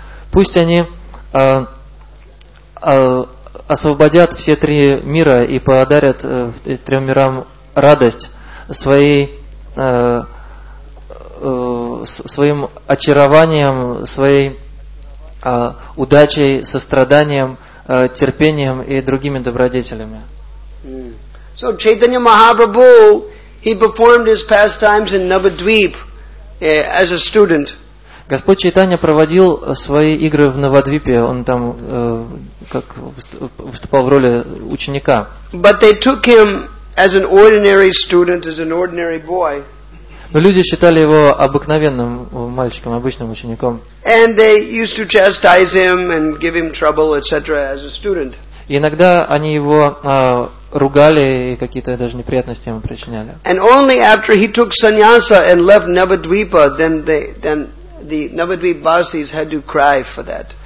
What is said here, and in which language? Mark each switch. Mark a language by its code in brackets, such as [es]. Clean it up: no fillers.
[ru] Пусть они освободят все три мира и подарят трем мирам радость своим очарованием, своей удачей, состраданием, терпением и другими добродетелями. [en] So Chaitanya Mahaprabhu, he performed his pastimes in Navadvip as a student. [ru] Господь Чайтанья проводил свои игры в Навадвипе, он там как выступал в роли ученика. [en] But they took him as an ordinary student, as an ordinary boy. [ru] Но люди считали его обыкновенным мальчиком, обычным учеником. [en] And they used to chastise him and give him trouble, etc., as a student. [ru] Иногда они его ругали и какие-то даже неприятности ему причиняли. [en] And only after he took sannyasa and left Navadvipa, then the Navadvipa Vasis had to cry for that.